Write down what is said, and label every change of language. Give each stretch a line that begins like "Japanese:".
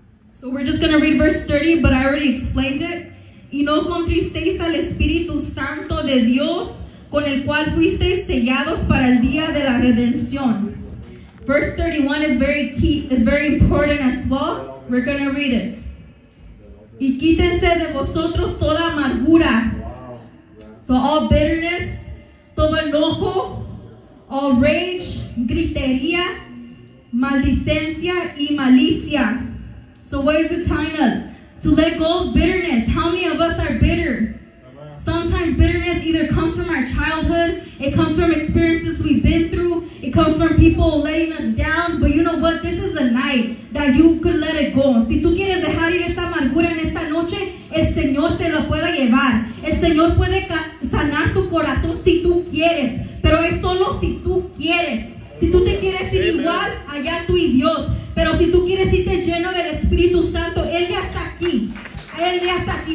English: So we're just going to read verse 30, but I already explained it.
Spanish: Y no contristéis al Espíritu Santo de Dios, con el cual fuisteis sellados para el día de la redención.
English: Verse 31 is very key, is very important as well. We're going to read it.
Spanish: Y quítense de vosotros toda amargura.
English: So all bitterness,
Spanish: todo enojo,
English: all rage,
Spanish: gritería, maldicencia y malicia.
English: So what is it telling us? To let go of bitterness. How many of us are bitter? Sometimes bitterness either comes from our childhood, it comes from experiences we've been through, it comes from people letting us down, but you know what? This is a night that you could let it go.
Spanish: Si tú quieres dejar ir esta amargura en esta noche, el Señor se la puede llevar. El Señor puede sanar tu corazón si tú quieres, pero es solo si tú quieres. Si tú te quieres ir igual, allá tú y Dios. Pero si tú quieres irte lleno del Espíritu Santo, Él ya está aquí. Él ya está aquí.